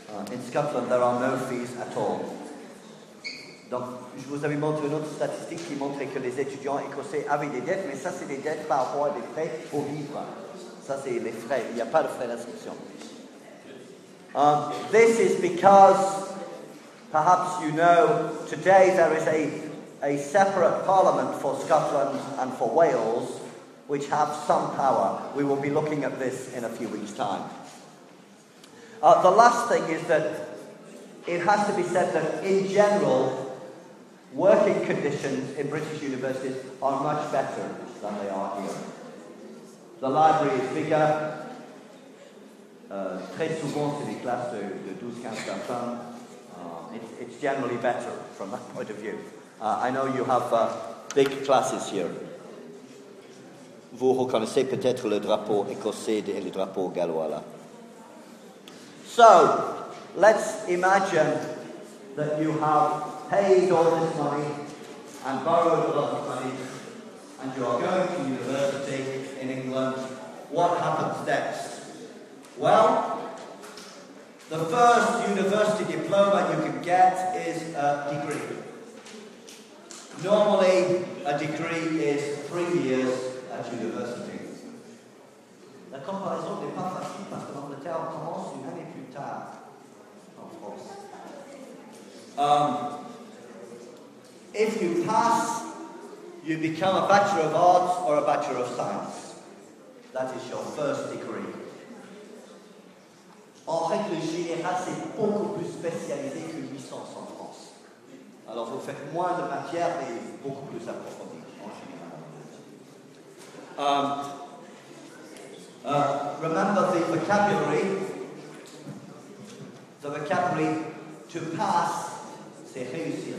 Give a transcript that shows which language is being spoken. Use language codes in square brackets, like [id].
[en] In Scotland, there are no fees at all. [fr] Donc, je vous avais montré une autre statistique qui montrait que les étudiants écossais avaient des dettes, mais ça, c'est des dettes par rapport à des frais pour vivre. Ça, c'est les frais. Il n'y a pas de frais d'inscription. [en] This is because, perhaps you know, today there is a separate parliament for Scotland and for Wales, which have some power. We will be looking at this in a few weeks' time. The last thing is that it has to be said that in general, working conditions in British universities are much better than they are here. The library is bigger. [fr] Très souvent, c'est des classes de 12-15 personnes. [en] It's generally better from that point of view. I know you have big classes here. [fr] Vous reconnaissez peut-être le drapeau écossais et le drapeau gallois là. [en] So, let's imagine that you have paid all this money and borrowed a lot of money and you are going to university in England. What happens next? Well, the first university diploma you can get is a degree. Normally, a degree is 3 years at university. [fr] La comparaison n'est pas facile parce que l'Angleterre commence une année plus tard en France. [en] If you pass, you become a Bachelor of Arts or a Bachelor of Science. That is your first degree. [fr] En règle générale, c'est beaucoup plus spécialisé qu'une licence en France. Alors, vous faites moins de matière et beaucoup plus approfondi en général. [en] Remember the vocabulary. The vocabulary to pass, [fr] c'est réussir.